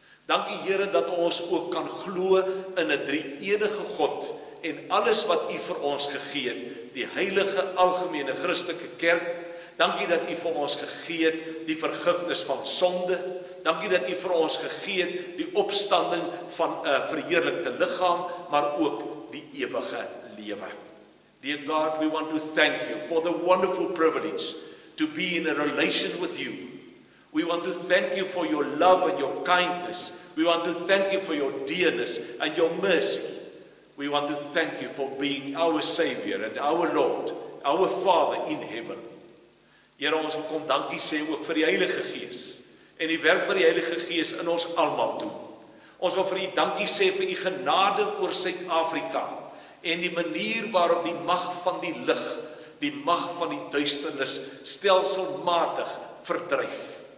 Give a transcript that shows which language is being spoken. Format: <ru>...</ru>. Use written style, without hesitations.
<af>Dankie Here dat ons ook kan glo in 'n drie-enige God en alles wat U vir ons gegee het, die Heilige Algemene Christelike Kerk. Dankie dat U vir ons gegee het die vergifnis van sonde. Dankie dat U vir ons gegee het die opstanding van 'n verheerlikte liggaam, maar ook die ewige lewe.</af> <en>Dear God, we want to thank You for the wonderful privilege to be in a relation with You. We want to thank You for Your love and Your kindness. We want to thank You for Your dearness and Your mercy. We want to thank You for being our Savior and our Lord, our Father in heaven.</en> <af>Here ons wil kom dankie sê ook vir die Heilige Gees en die werk wat die Heilige Gees in ons almal doen. Ons wil vir U dankie sê vir U genade oor Suid-Afrika en die manier waarop die mag van die lig, die mag van die duisternis stelselmatig verdryf.</af>